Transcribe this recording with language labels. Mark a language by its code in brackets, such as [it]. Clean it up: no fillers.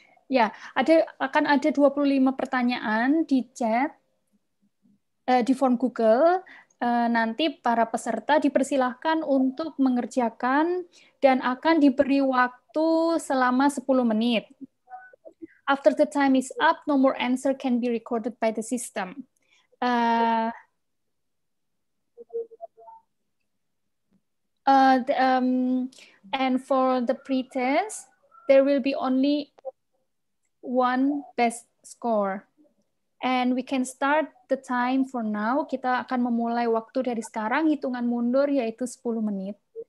[id] Ya, akan ada 25 pertanyaan di chat di form Google. Nanti para peserta dipersilahkan untuk mengerjakan dan akan diberi waktu selama 10 menit. [en] After the time is up, no more answer can be recorded by the system. And for the pretest, there will be only one best score. And we can start the time for now. [id] Kita akan memulai waktu dari sekarang, hitungan mundur, yaitu 10 menit.